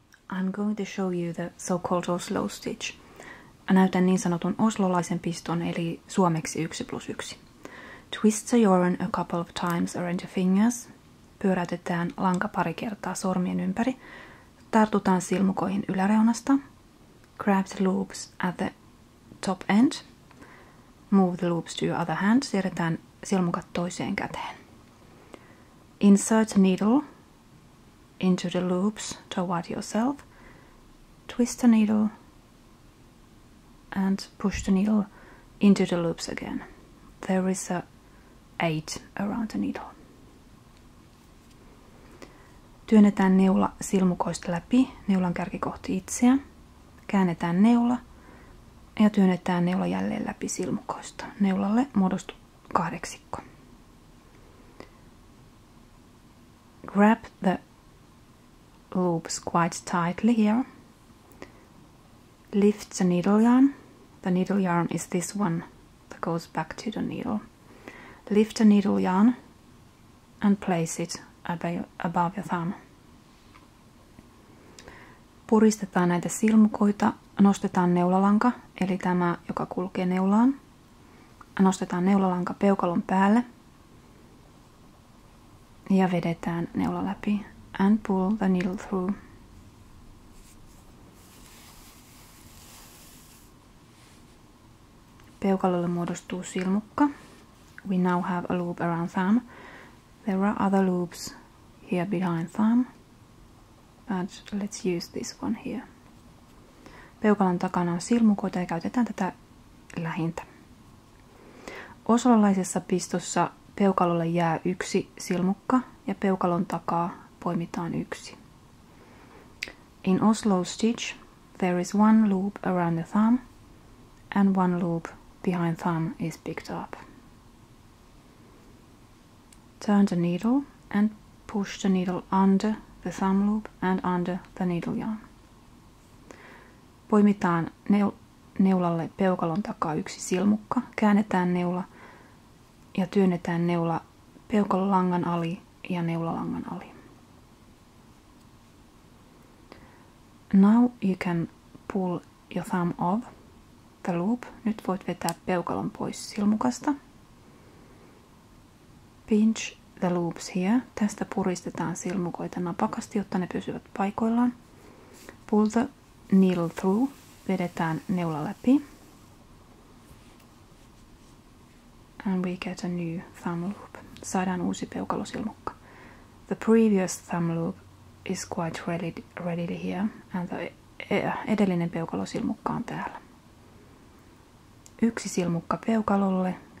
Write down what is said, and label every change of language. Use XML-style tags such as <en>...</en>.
<en>I'm going to show you the so-called Oslo Stitch.</en> <fi>Näytän niin sanotun oslolaisen piston, eli suomeksi 1+1.</fi> <en>Twist the yarn a couple of times around your fingers.</en> <fi>Pyöräytetään lanka pari kertaa sormien ympäri. Tartutaan silmukoihin yläreunasta.</fi> <en>Grab the loops at the top end. Move the loops to your other hand.</en> <fi>Siirretään silmukat toiseen käteen.</fi> <en>Insert the needle into the loops toward yourself. Twist the needle and push the needle into the loops again. There is a 8 around the needle.</en> <fi>Työnnetään neula silmukoista läpi, neulan kärki kohti itseä. Käännetään neula ja työnnetään neula jälleen läpi silmukoista. Neulalle muodostuu kahdeksikko.</fi> <en>Grab the loops quite tightly here. Lift the needle yarn. The needle yarn is this one that goes back to the needle. Lift the needle yarn and place it above your thumb.</en> <fi>Puristetaan näitä silmukoita, nostetaan neulalanka, eli tämä, joka kulkee neulaan. Nostetaan neulalanka peukalon päälle. Ja vedetään neula läpi.</fi> <en>And pull the needle through.</en> <fi>Peukalolle muodostuu silmukka.</fi> <en>We now have a loop around thumb. There are other loops here behind thumb. But let's use this one here.</en> <fi>Peukalon takana on silmukoita ja käytetään tätä lähintä. Oslolaisessa pistossa peukalolle jää yksi silmukka ja peukalon takaa poimitaan yksi.</fi> <en>In Oslo stitch, there is one loop around the thumb and one loop behind thumb is picked up. Turn the needle and push the needle under the thumb loop and under the needle yarn.</en> <fi>Poimitaan neulalle peukalon takaa yksi silmukka, käännetään neula ja työnnetään neula peukalolangan ali ja neulalangan ali.</fi> <en>Now you can pull your thumb off the loop.</en> <fi>Nyt voit vetää peukalon pois silmukasta.</fi> <en>Pinch the loops here.</en> <fi>Tästä puristetaan silmukoita napakasti, jotta ne pysyvät paikoillaan.</fi> <en>Pull the needle through.</en> <fi>Vedetään neula läpi.</fi> <en>And we get a new thumb loop.</en> <fi>Saadaan uusi peukalosilmukka.</fi> <en>The previous thumb loop is quite ready here.</en> <fi>And the edellinen peukalosilmukka on täällä. Yksi silmukka peukalolle.</fi>